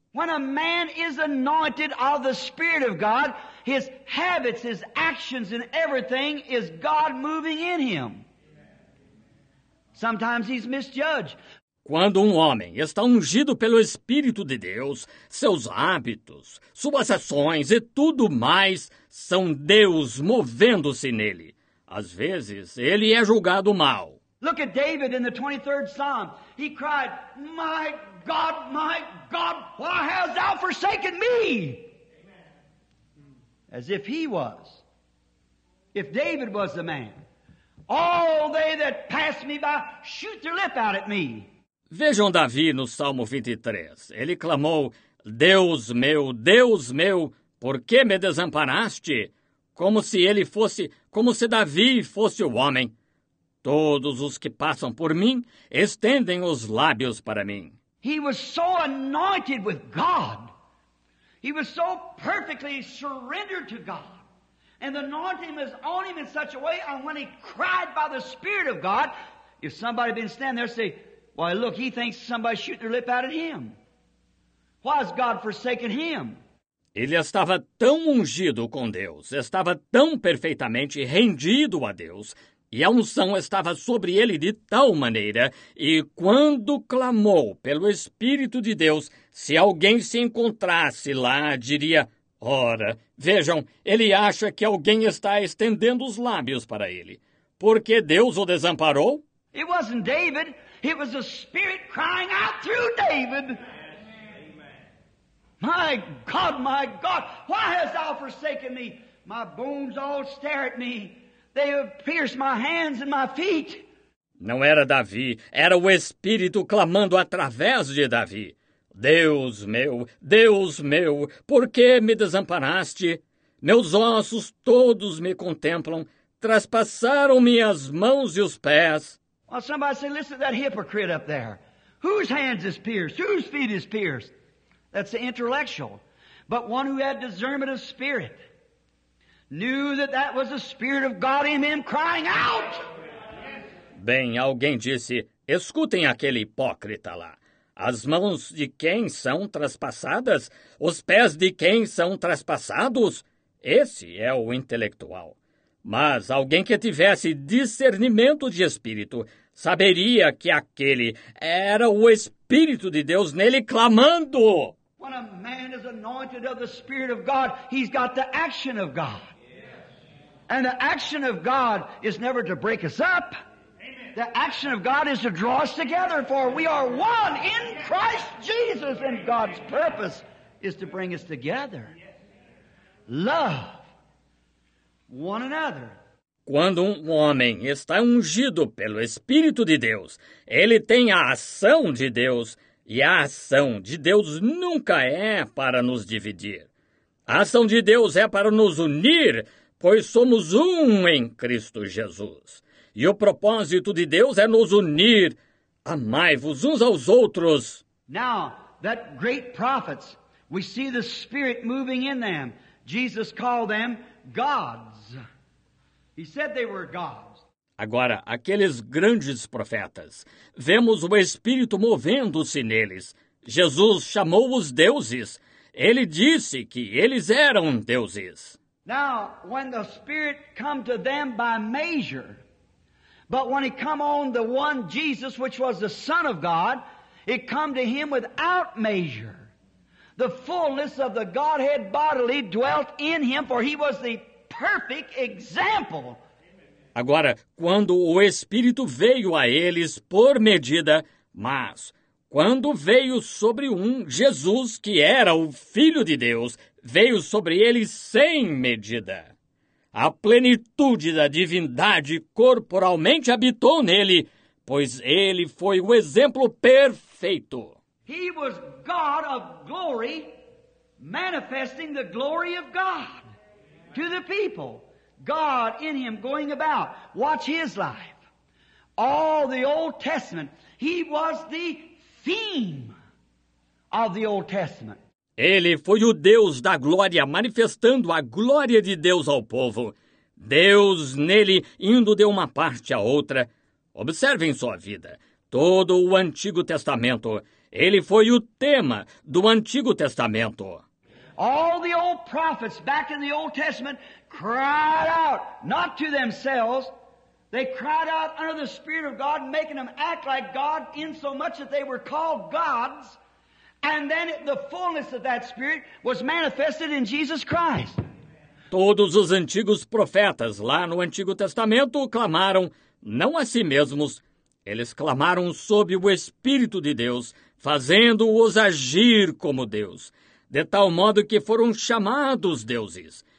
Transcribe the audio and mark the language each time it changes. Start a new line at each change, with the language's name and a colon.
English: When a man is anointed of the Spirit of God, his habits, his actions and everything is God moving in him. Sometimes he's misjudged.
Portuguese: Quando um homem está ungido pelo Espírito de Deus, seus hábitos, suas ações e tudo mais são Deus movendo-se nele. Às vezes, ele é julgado mal.
English: Look at David in the 23rd Psalm. He cried, "My God, my God, why hast thou forsaken me?" As if he was. If David was the man. All they that pass me by shoot their lip out at me.
Portuguese: Vejam Davi no Salmo 23. Ele clamou, Deus meu, por que me desamparaste? Como se Davi fosse o homem. Todos os que passam por mim estendem os lábios para mim.
English: He was so anointed with God. He was so perfectly surrendered to God. And the anointing was on him in such a way, and when he cried by the Spirit of God, if somebody had been standing there, say, "Why, look, he thinks somebody's shooting their lip out at him. Why has God forsaken him?"
Portuguese: Ele estava tão ungido com Deus, estava tão perfeitamente rendido a Deus, e a unção estava sobre ele de tal maneira, e quando clamou pelo Espírito de Deus, se alguém se encontrasse lá, diria, "Ora, vejam, ele acha que alguém está estendendo os lábios para ele. Por que Deus o desamparou?"
English: It wasn't David. It was the Spirit crying out through David. My God, why hast thou forsaken me? My bones all stare at me. They have pierced my hands and my feet.
Portuguese: Não era Davi, era o Espírito clamando através de Davi. Deus meu, por que me desamparaste? Meus ossos todos me contemplam, traspassaram-me as mãos e os pés.
English: Well, somebody say, listen to that hypocrite up there. Whose hands is pierced? Whose feet is pierced? That's the intellectual. But one who had discernment of spirit knew that that was the Spirit of God in him crying out.
Portuguese: Bem, alguém disse, escutem aquele hipócrita lá. As mãos de quem são traspassadas? Os pés de quem são traspassados? Esse é o intelectual. Mas alguém que tivesse discernimento de espírito saberia que aquele era o Espírito de Deus nele clamando.
English: When a man is anointed of the Spirit of God, he's got the action of God. And the action of God is never to break us up. The action of God is to draw us together, for we are one in Christ Jesus, and God's purpose is to bring us together. Love one another.
Portuguese: Quando um homem está ungido pelo Espírito de Deus, ele tem a ação de Deus, e a ação de Deus nunca é para nos dividir. A ação de Deus é para nos unir, pois somos um em Cristo Jesus. E o propósito de Deus é nos unir. Amai-vos uns aos outros.
English: Now, that great prophets, we see the Spirit moving in them. Jesus called them gods. He said they were gods.
Portuguese: Agora, aqueles grandes profetas, vemos o Espírito movendo-se neles. Jesus chamou os deuses. Ele disse que eles eram deuses.
English: Now, when the Spirit come to them by measure, but when he come on the one Jesus, which was the Son of God, it come to him without measure. The fullness of the Godhead bodily dwelt in him, for he was the perfect example.
Portuguese: Agora, quando o Espírito veio a eles por medida, mas quando veio sobre um Jesus, que era o Filho de Deus, veio sobre ele sem medida. A plenitude da divindade corporalmente habitou nele, pois ele foi o exemplo perfeito.
English: He was God of glory, manifesting the glory of God to the people. God in him going about. Watch his life. All the Old Testament, he was the theme of the Old Testament.
Portuguese: Ele foi o Deus da glória, manifestando a glória de Deus ao povo. Deus nele indo de uma parte a outra. Observem sua vida. Todo o Antigo Testamento, ele foi o tema do Antigo Testamento.
English: All the old prophets back in the Old Testament cried out, not to themselves. They cried out under the Spirit of God, making them act like God in so much that they were called gods. And then the fullness of that Spirit was manifested in Jesus Christ.
Portuguese: Todos os antigos profetas lá no Antigo Testamento clamaram, não a si mesmos. Eles clamaram sob o Espírito de Deus, fazendo-os agir como Deus, de tal modo que foram chamados deuses.